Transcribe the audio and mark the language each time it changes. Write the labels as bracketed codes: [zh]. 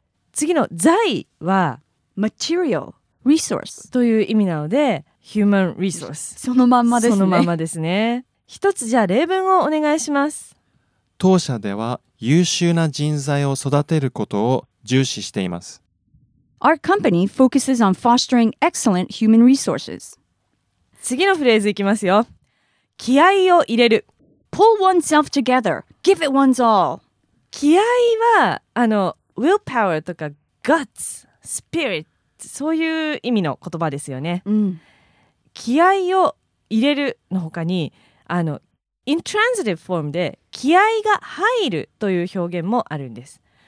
[ja] 次の財は [en] Material, resource という意味なので Human resource。 [ja] そのまんまですね。そのまんまですね。一つじゃあ例文をお願いします。当社では優秀な人材を育てることを重視しています。 [en] Our company focuses on fostering excellent human resources. [ja] 次のフレーズいきますよ。気合を入れる。 [en] Pull oneself together. Give it one's all. [ja] 気合は、willpower とか guts, spirit, そういう意味の言葉ですよね。うん、気合を入れるの他に、intransitive form で気合が入るという表現もあるんです。